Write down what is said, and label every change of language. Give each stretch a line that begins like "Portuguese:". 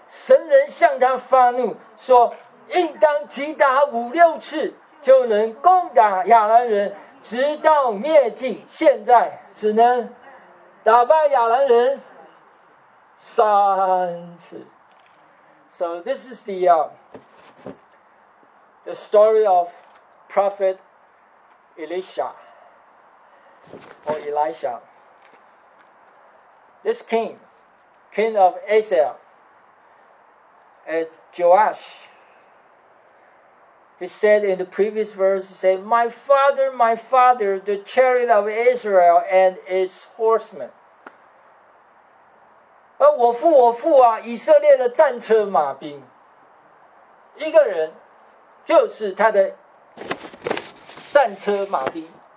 Chinese: 神人向他发怒，说：“应当击打五六次，就能攻打亚兰人，直到灭尽。现在只能打败亚兰人三次。”
English: So this is the story of Prophet Elisha. Or Elisha. This king of Israel, Joash, he said in the previous verse, he said, my father, the chariot of Israel and its horsemen.
Chinese: 我父我父啊，以色列的战车马兵。一个人就是他的战车马兵。